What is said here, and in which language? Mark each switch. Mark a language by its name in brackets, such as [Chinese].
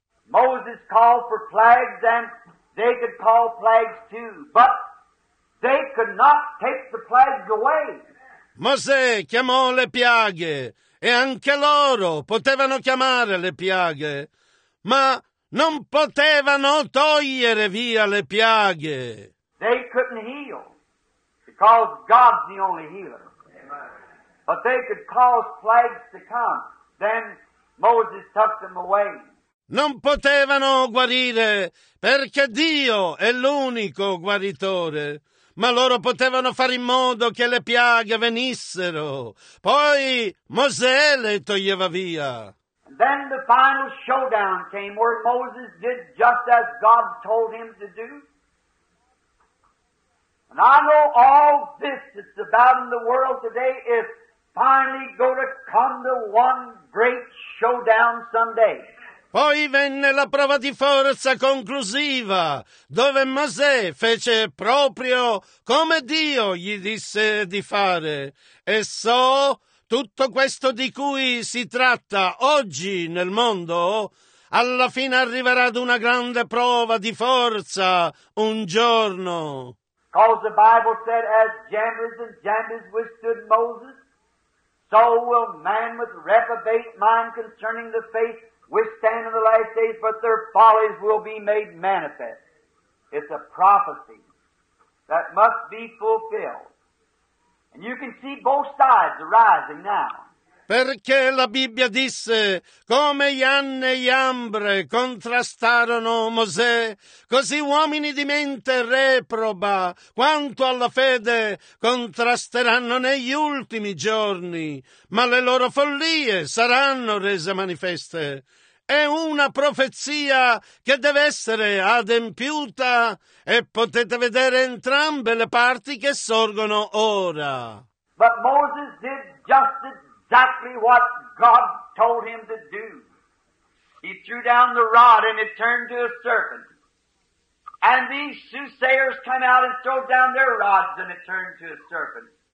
[English] Moses called for plagues and they could call plagues too, but they could not take the plagues away. [Italian] Mosè chiamò le piaghe. E anche loro potevano chiamare le piaghe, ma non potevano togliere via le piaghe. [English] They couldn't heal, because God's the only healer. Amen. But they could cause plagues to come. Then Moses took them away. [Italian] Non potevano guarire, perché Dio è l'unico guaritore. Ma loro potevano fare in modo che le piaghe venissero. Poi Mosè le toglieva via. [English] And then the final showdown came where Moses did just as God told him to do. And I know all this that's about in the world today is finally going to come to one great showdown someday. [Italian] Poi venne la prova di forza conclusiva, dove Mosè fece proprio come Dio gli disse di fare. E so, tutto questo di cui si tratta oggi nel mondo, alla fine arriverà ad una grande prova di forza un giorno. [English] Because the Bible said, as Jambres and Jambres withstood Moses, so will man with reprobate mind concerning the faith withstand in the last days, but their follies will be made manifest. It's a prophecy that must be fulfilled. And you can see both sides arising now. [Italian] Perché la Bibbia disse, come Janne e Jambre contrastarono Mosè, così uomini di mente reproba, quanto alla fede, contrasteranno negli ultimi giorni, ma le loro follie saranno rese manifeste. È una profezia che deve essere adempiuta e potete vedere entrambe le parti che sorgono ora. [English] But Moses did just exactly what God told him to do. He threw down the rod and it turned to a serpent. And these soothsayers come out and throw down their rods and it turned to a serpent.